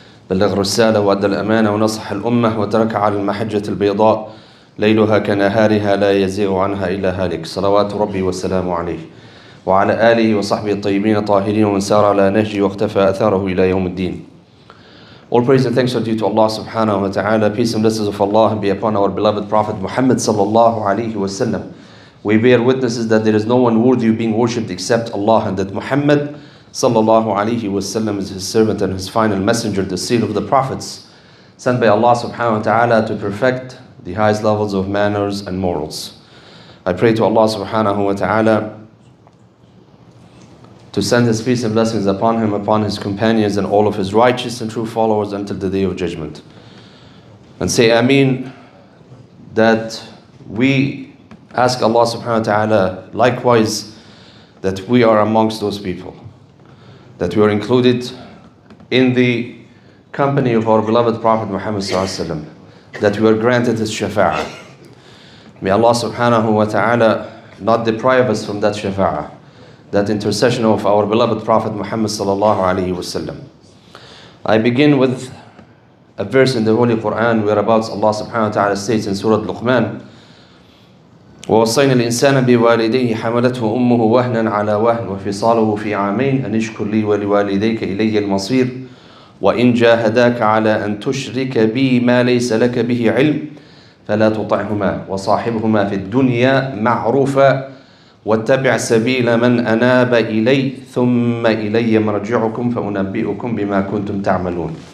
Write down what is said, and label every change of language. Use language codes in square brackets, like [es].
[ar] بلغ الرسالة وأدى الأمانة ونصح الأمة وترك على المحجة البيضاء ليلها كنهارها لا يزيغ عنها إلا هالك صلوات ربي وسلامه عليه وعلى آله وصحبه الطيبين الطاهرين ومن سار على نهجه واختفى أثاره إلى يوم الدين. [en] All praise and thanks are due to Allah subhanahu wa ta'ala. Peace and blessings of Allah be upon our beloved Prophet Muhammad sallallahu alayhi wa sallam. We bear witnesses that there is no one worthy of being worshipped except Allah and that Muhammad sallallahu alayhi wa sallam is his servant and his final messenger, the seal of the prophets sent by Allah subhanahu wa ta'ala to perfect the highest levels of manners and morals. I pray to Allah subhanahu wa ta'ala to send his peace and blessings upon him, upon his companions, and all of his righteous and true followers until the day of judgment. And say ameen that we ask Allah subhanahu wa ta'ala likewise that we are amongst those people, that we are included in the company of our beloved Prophet Muhammad sallallahu alayhi wa sallam, that we are granted his shafa'ah. May Allah subhanahu wa ta'ala not deprive us from that shafa'ah, that intercession of our beloved Prophet Muhammad sallallahu alayhi wa sallam. I begin with a verse in the Holy Quran whereabouts Allah subhanahu wa ta'ala states in Surah Luqman, [ar] وَوَصَّيْنَا الْإِنسَانَ بِوَالِدَيْهِ حَمَلَتْهُ أُمُّهُ وَهْنًا عَلَى وَهْنٍ وَفِصَالُهُ فِي عَامَيْنِ أَنِ اشْكُرْ لِي وَلِوَالِدَيْكَ إِلَيَّ الْمَصِيرُ وَإِنْ جَاهَدَاكَ عَلَى أَنْ تُشْرِكَ بِي مَا لَيْسَ لَكَ بِهِ عِلْمٌ فَلَا تُطِعْهُمَا وَصَاحِبْهُمَا فِي الدُّنْيَا مَعْرُوفًا وَاتَّبِعْ سَبِيلَ مَنْ أَنَابَ إِلَيَّ ثُمَّ إِلَيَّ مَرْجِعُكُمْ فَأُنَبِّئُكُمْ بِمَا كُنْتُمْ تَعْمَلُونَ